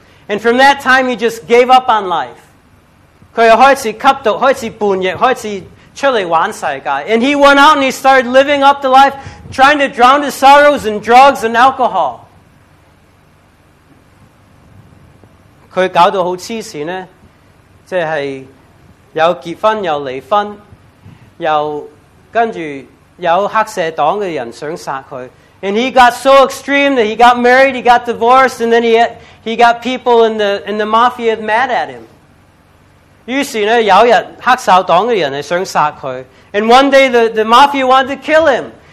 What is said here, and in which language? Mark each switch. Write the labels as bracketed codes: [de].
[en] And from that time, he just gave up on life. [zh] 他開始吸毒,開始叛逆,開始出來玩世界. [en] And he went out and he started living up the life, trying to drown his sorrows in drugs and alcohol. [zh] 他搞得很瘋狂,就是有結婚,有離婚,有跟著... 有黑社黨的人想殺他. [en] And he got so extreme that he got married, he got divorced, and then he got people in the mafia mad at him. [zh] 於是呢,有一天黑社黨的人想殺他. [en] And one day the mafia wanted to kill him.